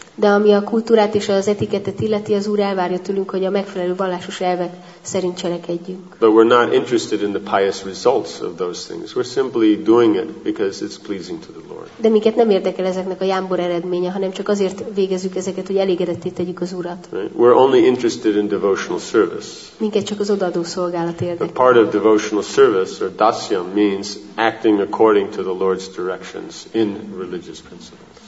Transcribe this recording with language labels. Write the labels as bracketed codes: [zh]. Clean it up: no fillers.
[hu] De ami a kultúrát és az etiketet illeti, az Úr elvárja tőlünk, hogy a megfelelő vallásos elvek szerint cselekedjünk. [en] But we're not interested in the pious results of those things. We're simply doing it because it's pleasing to the Lord. [hu] De minket nem érdekel ezeknek a jámbor eredménye, hanem csak azért végezzük ezeket, hogy elégedetté tegyük az Urat. [en] Right? We're only interested in devotional service. [hu] Minket csak az odaadó szolgálat érdekel. [en] A part of devotional service or dasyam means acting according to the Lord's directions in religious principles.